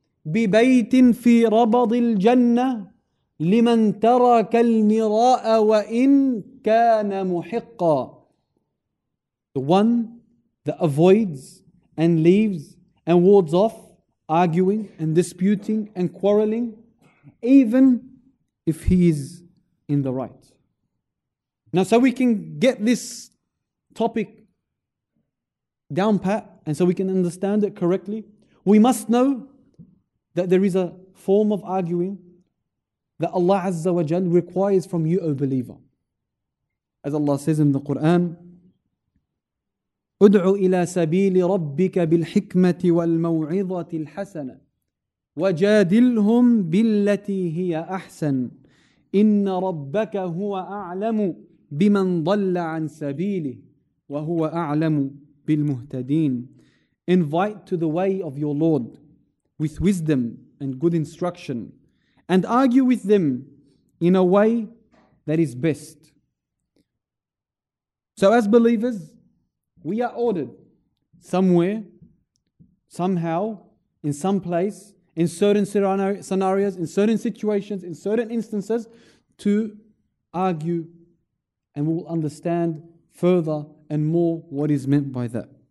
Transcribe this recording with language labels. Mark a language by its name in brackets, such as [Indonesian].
[Arabic] ببيت في ربض الجنة لمن ترك المراء وإن كان محقا. [English] The one that avoids and leaves and wards off arguing and disputing and quarreling, even if he is in the right. Now, so we can get this topic down pat and so we can understand it correctly, we must know that there is a form of arguing that Allah Azza wa Jal requires from you, O believer. As Allah says in the Quran, [Arabic] ادعو إلى سبيل ربك بالحكمة والموعظة الحسنة وجادلهم بالتي هي أحسن إن ربك هو أعلم بمن ضل عن سبيله وهو أعلم بالمهتدين. [English] Invite to the way of your Lord with wisdom and good instruction, and argue with them in a way that is best. So as believers, we are ordered somewhere, somehow, in some place, in certain scenarios, in certain situations, in certain instances, to argue, and we will understand further and more what is meant by that.